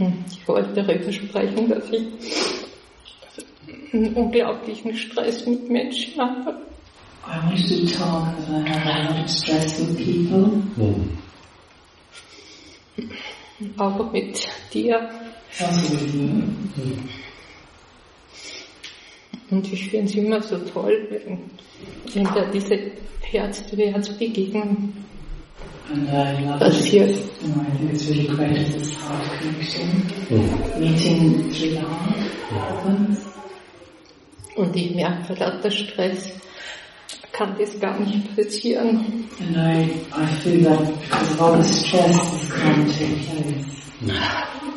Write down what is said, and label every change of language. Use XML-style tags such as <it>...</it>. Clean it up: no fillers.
<de>Ich wollte darüber sprechen, dass ich einen unglaublichen Stress mit Menschen habe.</de> <en>I wanted to talk about a lot of stress with people.</en> <de>Auch mit dir.</de> <en>Also with you.</en> <de>Und ich finde es immer so toll, wenn da diese Herz-zu-Herz-Begegnung passiert.</de> <en>And I think it's really great at this heart connection. Meeting three hearts.</en> <de>Und ich merke, vor lauter Stress kann das gar nicht passieren.</de> <en>And I feel that because of all the stress, this can't take place.</en>